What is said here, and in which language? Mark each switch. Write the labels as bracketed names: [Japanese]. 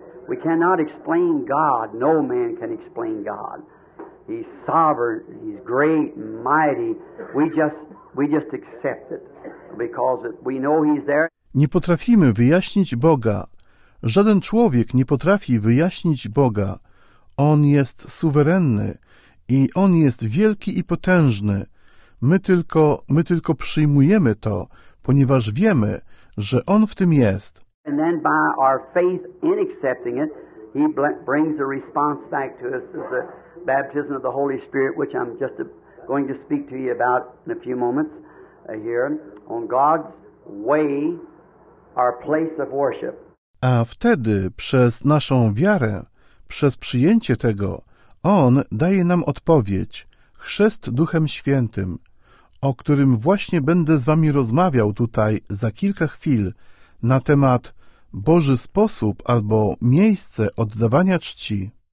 [English] We cannot explain God. No man can explain God. He's sovereign, he's great, mighty. We just accept it because we know he's there. [Polish] Nie potrafimy wyjaśnić Boga. Żaden człowiek nie potrafi wyjaśnić Boga. On jest suwerenny i on jest wielki i potężny. My tylko przyjmujemy to, ponieważ wiemy, że On w tym jest. [English] And then by our faith in accepting it, He brings a response back to us as the baptism of the Holy Spirit, which I'm just going to speak to you about in a few moments here, on God's way, our place of worship. [Polish] A wtedy przez naszą wiarę, przez przyjęcie tego, On daje nam odpowiedź, chrzest Duchem Świętym, o którym właśnie będę z wami rozmawiał tutaj za kilka chwil, na temat Boży sposób albo miejsce oddawania czci.